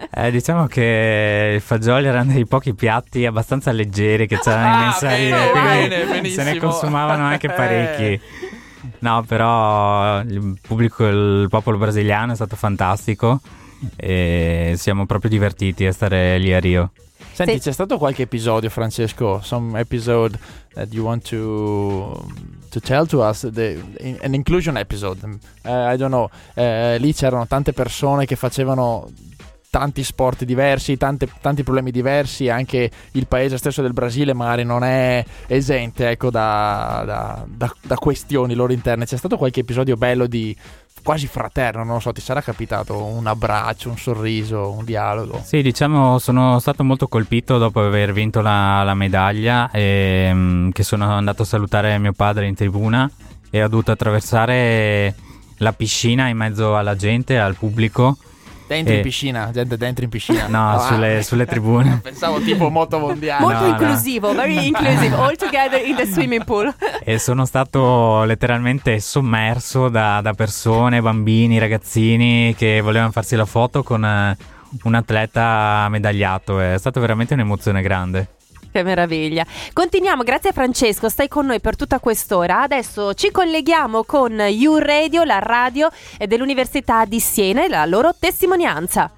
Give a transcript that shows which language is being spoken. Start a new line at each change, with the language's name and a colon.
Italian: Diciamo che i fagioli erano dei pochi piatti abbastanza leggeri che c'erano. Se ne consumavano anche parecchi. No, però il popolo brasiliano è stato fantastico e siamo proprio divertiti a stare lì a Rio. Senti, c'è stato qualche episodio, Francesco?
English: Some episode that you want to tell to us, an inclusion episode. I don't know.
Italian: Lì c'erano tante persone che facevano tanti sport diversi, tanti problemi diversi, anche il paese stesso del Brasile magari non è esente, ecco, da questioni loro interne. C'è stato qualche episodio bello di quasi fraterno, non lo so, ti sarà capitato un abbraccio, un sorriso, un dialogo? Sì, diciamo, sono stato molto colpito dopo aver vinto la medaglia e che sono andato a salutare mio padre in tribuna e ho dovuto attraversare la piscina in mezzo alla gente, al pubblico. Gente dentro in piscina. No, sulle tribune. Pensavo tipo moto mondiale. Molto inclusivo,
English: very inclusive, all together in the swimming pool.
Italian: E sono stato letteralmente sommerso da persone, bambini, ragazzini che volevano farsi la foto con un atleta medagliato. È stata veramente un'emozione grande. Che meraviglia. Continuiamo, grazie Francesco, stai con noi per tutta quest'ora. Adesso ci colleghiamo con U Radio, la radio dell'Università di Siena, e la loro testimonianza.